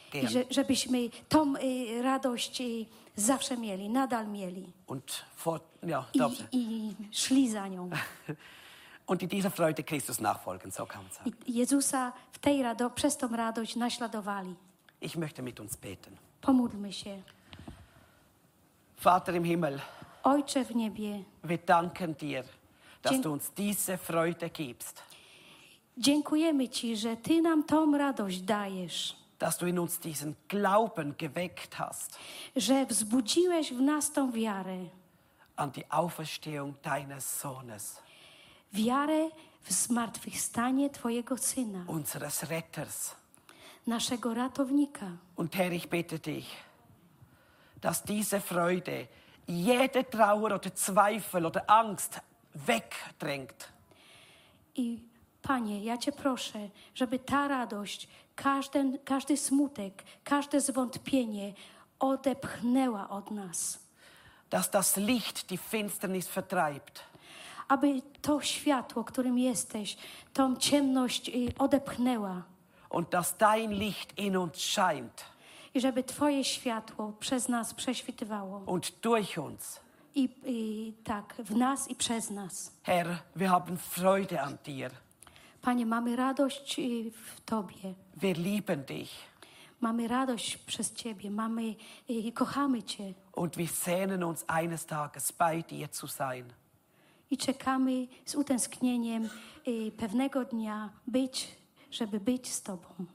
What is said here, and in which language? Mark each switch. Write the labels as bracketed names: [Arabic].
[Polish] I żebyśmy tą radość zawsze mieli, nadal mieli. [German] Und fort, ja, [Polish] I szli za nią. [German] Und in dieser Freude Christus nachfolgen, so kann man sagen. [Polish] Jezusa w tej radości, przez tą radość naśladowali. [German] Ich möchte mit uns beten. [Polish] Pomódlmy się. [German] Vater im Himmel. [Polish] Ojcze w niebie. [German] Wir danken dir, dass du uns diese Freude gibst. [Polish] Dziękujemy ci, że ty nam tą radość dajesz. [German] Dass du in uns diesen Glauben geweckt hast. [Polish] Że wzbudziłeś w nas tą wiarę. [German] An die Auferstehung deines Sohnes. [Polish] Wiarę w zmartwychwstanie Twojego Syna. [German] Unseres Retters. [Polish] Naszego Ratownika. [German] Und Herr, ich bitte dich, dass diese Freude jede Trauer oder Zweifel oder Angst wegdrängt. [Polish] I Panie, ja Cię proszę, żeby ta radość, każdy smutek, każde zwątpienie odepchnęła od nas. [German] Dass das Licht die Finsternis vertreibt. [Polish] Aby to światło, którym jesteś, tą ciemność odepchnęła. [German] Und dass dein Licht in uns scheint. [Polish] I żeby Twoje światło przez nas prześwitywało. [German] Und durch uns. [Polish] I tak, w nas i przez nas. [German] Herr, wir haben Freude an dir. [Polish] Panie, mamy radość w Tobie. [German] Wir lieben dich. [Polish] Mamy radość przez Ciebie, mamy i kochamy Cię. [German] Und wir sehnen uns eines Tages bei dir zu sein. [Polish] I czekamy z utęsknieniem pewnego dnia być, żeby być z Tobą.